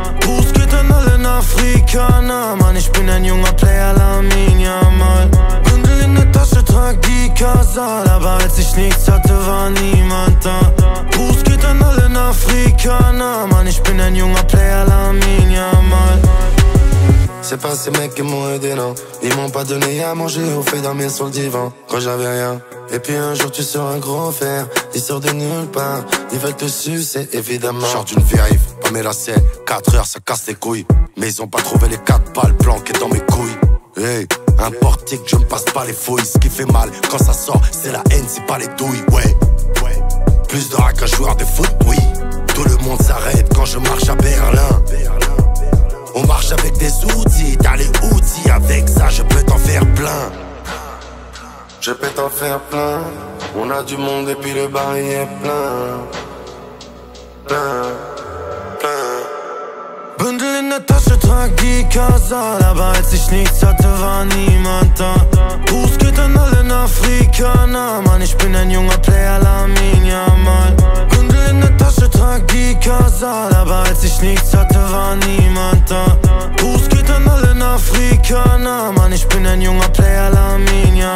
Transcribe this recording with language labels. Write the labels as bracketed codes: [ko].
[de] Gruß geht an alle Afrikaner. Mann, ich bin ein junger Player, Lamin, ja mal. Bündel in der Tasche, trag die Kasal. Aber als ich nichts hatte, war niemand da. Gruß geht an alle Afrikaner. Mann, ich bin ein junger Player, Lamin, ja mal. [fr] C'est pas ces mecs qui m'ont aidé, non. Ils m'ont pas donné à manger ou fait dormir sur le divan quand j'avais rien. Et puis un jour tu sors un gros fer. Ils sortent de nulle part. Ils veulent te sucer, évidemment. Genre d'une vieille, pas mes lacets. 4 heures, ça casse les couilles. Mais ils ont pas trouvé les 4 balles planquées dans mes couilles. Hey, un portique, je me passe pas les fouilles. Ce qui fait mal quand ça sort, c'est la haine, c'est pas les douilles. Ouais, ouais. Plus de rats qu'un joueur de foot, oui. Tout le monde s'arrête quand je marche à Berlin. On marche avec des outils, t'as les outils. Avec ça, je peux t'en faire plein. Je peux t'en faire plein. On a du monde et puis le bar y est plein. Plein, plein. [de] Bündel in der Tasche, trag die Kasal. Aber als ich nichts hatte, war niemand da. Gruß geht an alle Afrikaner. Mann, ich bin ein junger Player, Lamin, ja mal. Bündel in der Tasche, trag die Kasal. Aber als ich nichts hatte, war niemand da. Gruß geht an alle Afrikaner. Mann, ich bin ein junger Player, Lamin.